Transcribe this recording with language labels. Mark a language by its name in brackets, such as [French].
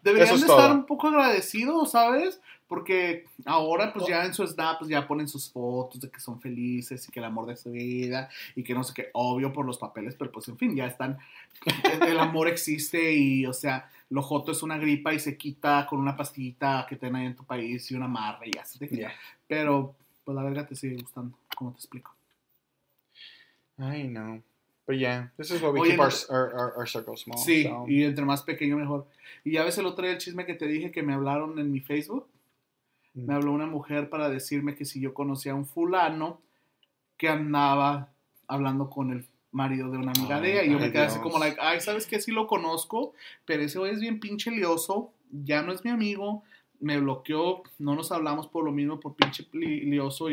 [Spanish] Deberían eso es de todo. Estar un poco agradecidos, ¿sabes? Porque ahora, pues ya en su snap, pues ya ponen sus fotos de que son felices y que el amor de su vida y que no sé qué, obvio por los papeles, pero pues en fin, ya están. El amor existe y, o sea, lo joto es una gripa y se quita con una pastillita que tienen ahí en tu país y una amarre y así de que. [English] Yeah. [Spanish] Pero, pues la verga te sigue gustando, como te explico. Ay, no. [English] But yeah, this is what we keep our circle small. [Spanish] Sí, so. Y entre más pequeño, mejor. Y ya ves el otro día el chisme que te dije que me hablaron en mi Facebook. Me habló una mujer para decirme que si yo conocía a un fulano que andaba hablando con el marido de una amiga de ella. Y yo me quedé así como, like, ay, ¿sabes qué? Sí lo conozco, pero ese güey es bien pinche lioso, ya no es mi amigo, me bloqueó, no nos hablamos por lo mismo, por pinche lioso.